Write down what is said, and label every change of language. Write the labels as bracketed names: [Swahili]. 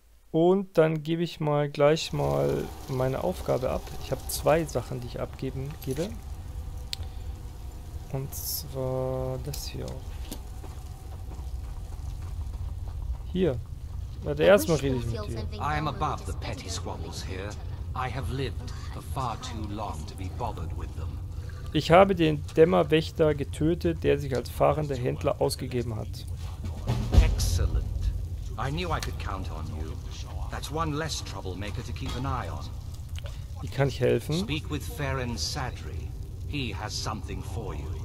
[German] Und dann gebe ich mal gleich mal meine Aufgabe ab. Ich habe zwei Sachen, die ich gebe. Und zwar das hier auch. Hier. Warte, erstmal rede ich mit dir. [English] I am above the petty squabbles here. I have lived for far too long to be bothered with them. [German] Ich habe den Dämmerwächter getötet, der sich als fahrender Händler ausgegeben hat. [English] Excellent. I knew I could count on you. That's one less troublemaker to keep an eye on. [German] Wie kann ich helfen? [English] Speak with Feren Sadri. He has something for you.